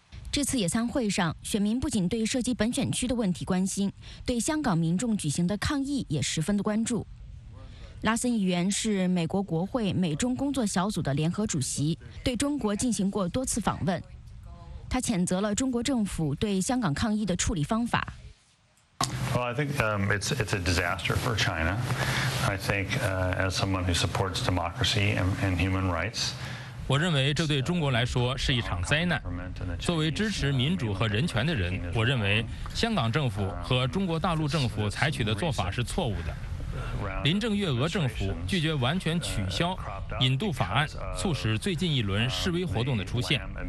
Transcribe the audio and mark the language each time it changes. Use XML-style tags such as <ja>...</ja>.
<zh>这次野餐会上，选民不仅对涉及本选区的问题关心，对香港民众举行的抗议也十分的关注。拉森议员是美国国会美中工作小组的联合主席，对中国进行过多次访问。他谴责了中国政府对香港抗议的处理方法。</zh> <en>Well, I think it's a disaster for China. I think as someone who supports democracy and human rights.</en> <zh>我认为这对中国来说是一场灾难。作为支持民主和人权的人，我认为香港政府和中国大陆政府采取的做法是错误的。林郑月娥政府拒绝完全取消引渡法案，促使最近一轮示威活动的出现。</zh>